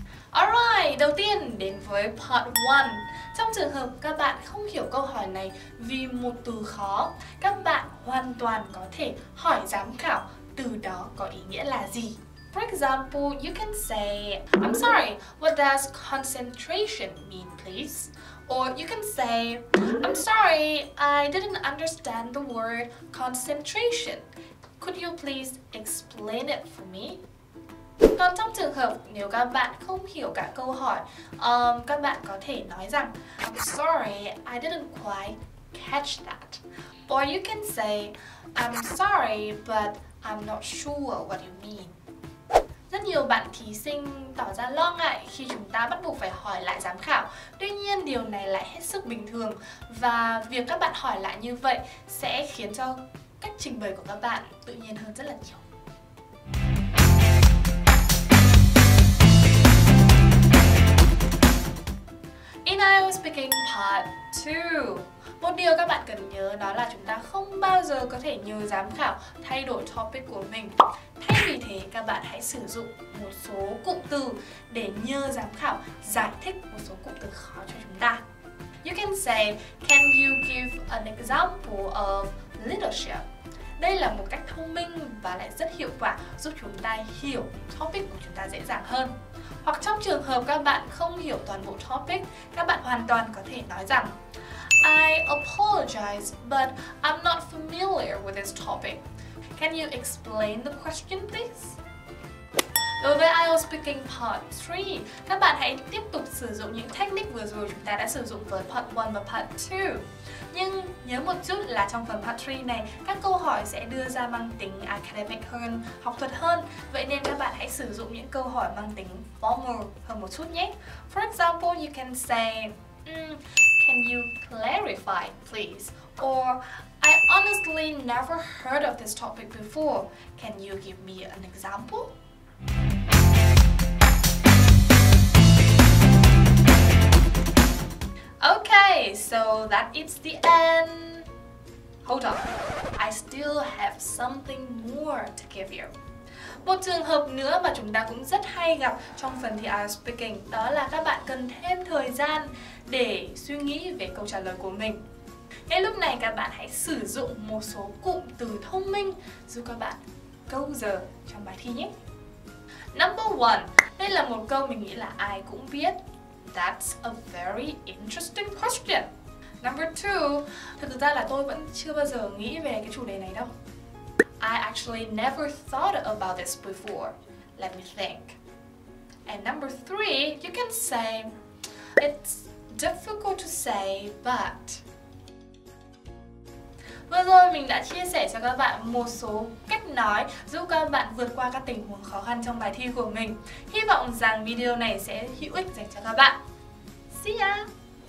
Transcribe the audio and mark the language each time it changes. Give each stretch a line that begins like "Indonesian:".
Vietnamese: Alright, đầu tiên đến với part 1. Trong trường hợp các bạn không hiểu câu hỏi này vì một từ khó, các bạn hoàn toàn có thể hỏi giám khảo từ đó có ý nghĩa là gì.
English: For example, you can say, I'm sorry, what does concentration mean, please? Or you can say, I'm sorry, I didn't understand the word concentration. Could you please explain it for me?
Vietnamese: Còn trong trường hợp nếu các bạn không hiểu cả câu hỏi, các bạn có thể nói rằng
English: I'm sorry, I didn't quite catch that. Or you can say, I'm sorry, but I'm not sure what you mean.
Vietnamese: Rất nhiều bạn thí sinh tỏ ra lo ngại khi chúng ta bắt buộc phải hỏi lại giám khảo. Tuy nhiên điều này lại hết sức bình thường. Và việc các bạn hỏi lại như vậy sẽ khiến cho cách trình bày của các bạn tự nhiên hơn rất là nhiều. Speaking part 2. Một điều các bạn cần nhớ đó là chúng ta không bao giờ có thể nhờ giám khảo thay đổi topic của mình. Thay vì thế, các bạn hãy sử dụng một số cụm từ để nhờ giám khảo giải thích một số cụm từ khó cho chúng ta.
English: You can say, can you give an example of leadership?
Vietnamese: Đây là một cách thông minh và lại rất hiệu quả giúp chúng ta hiểu topic của chúng ta dễ dàng hơn. Hoặc trong trường hợp các bạn không hiểu toàn bộ topic, các bạn hoàn toàn có thể nói rằng
English: I apologize, but I'm not familiar with this topic. Can you explain the question, please?
Vietnamese: Đối với IELTS Speaking Part 3, các bạn hãy tiếp tục sử dụng những technique vừa rồi chúng ta đã sử dụng với Part 1 và Part 2. Nhưng nhớ một chút là trong phần Part 3 này, các câu hỏi sẽ đưa ra mang tính academic hơn, học thuật hơn. Vậy nên các bạn hãy sử dụng những câu hỏi mang tính formal hơn một chút nhé.
English: For example, you can say, can you clarify, please? Or, I honestly never heard of this topic before. Can you give me an example? Okay, so that is the end. Hold on, I still have something more to give you.
Vietnamese: Một trường hợp nữa mà chúng ta cũng rất hay gặp trong phần thi IELTS Speaking đó là các bạn cần thêm thời gian để suy nghĩ về câu trả lời của mình. Ngay lúc này các bạn hãy sử dụng một số cụm từ thông minh giúp các bạn câu giờ trong bài thi nhé. Number 1, đây là một câu mình nghĩ là ai cũng biết.
English: That's a very interesting question.
Vietnamese: Number 2, thực ra là tôi vẫn chưa bao giờ nghĩ về cái chủ đề này đâu.
English: I actually never thought about this before. Let me think. And number 3, you can say, it's difficult to say, but...
Vietnamese: Vừa rồi mình đã chia sẻ cho các bạn một số cách nói giúp các bạn vượt qua các tình huống khó khăn trong bài thi của mình. Hy vọng rằng video này sẽ hữu ích dành cho các bạn.
English: See ya!